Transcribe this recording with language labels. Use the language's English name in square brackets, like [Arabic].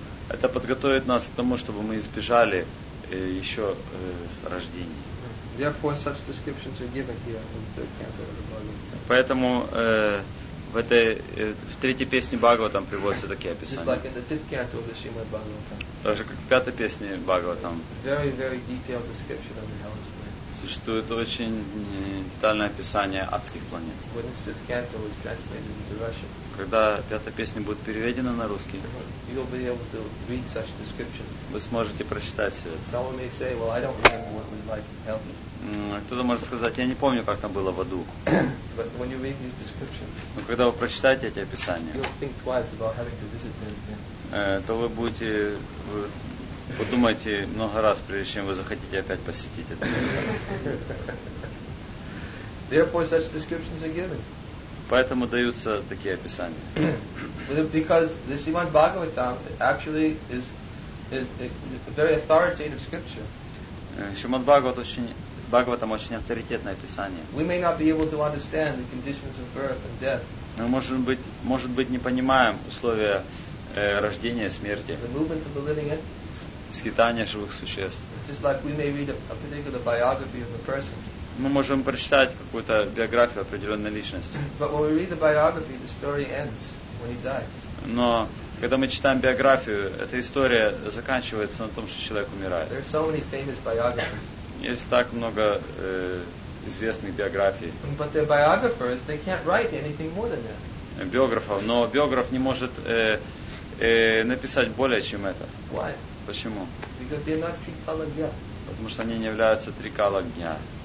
[Russian] Это подготовит нас к тому, чтобы мы избежали еще рождения. [English] Therefore, such descriptions are given here in the third canto of the Bhagavad. [Russian] Поэтому в третьей песне Бхагаватам приводятся такие описания. [English] Just like in the fifth canto of the Srimad Bhagavatam. [Russian] Так же, как в пятой песне Бхагаватам. [English] Very, very detailed description of the hellish planet. [Russian] Существует очень детальное описание адских планет. [English] When this fifth canto is translated into Russian. [Russian] Когда пятая песня будет переведена на русский, [English] you'll be able to read such descriptions. [Russian] Вы сможете прочитать все это. [English] Someone may say, well, I don't remember what it was like in hell. [Russian] Кто-то может сказать, я не помню, как там было в аду. [English] But when you read these descriptions, [Russian] но когда вы прочитаете эти описания, [English] you'll think twice about having to visit them again. [Russian] То вы будете подумайте много раз, прежде чем вы захотите опять посетить это место. [English] Therefore, such descriptions are given. [Russian] Поэтому даются такие описания. [English] Because the Srimad Bhagavatam actually is a very authoritative scripture. [Russian] Шримад Бхагаватам очень авторитетное описание. [English] We may not be able to understand the conditions of birth and death. [Russian] Мы может быть не понимаем условия рождения, смерти. [English] The movements of the living entities. [Russian] Скитания живых существ. [English] Just like we may read a particular biography of a person. [Russian] Мы можем прочитать какую-то биографию определенной личности. [English] But when we read the biography, the story ends when he dies. [Russian] Но когда мы читаем биографию, эта история заканчивается на том, что человек умирает. [English] There are so many famous biographies. [Russian] Есть так много известных биографий. [English] But the biographers, they can't write anything more than that. [Russian] Биографов, но биограф не может написать более чем это. [English] Why? [Russian] Почему? [English] Because they're not Tripalagya. [Russian] потому что они не являются трикалагья.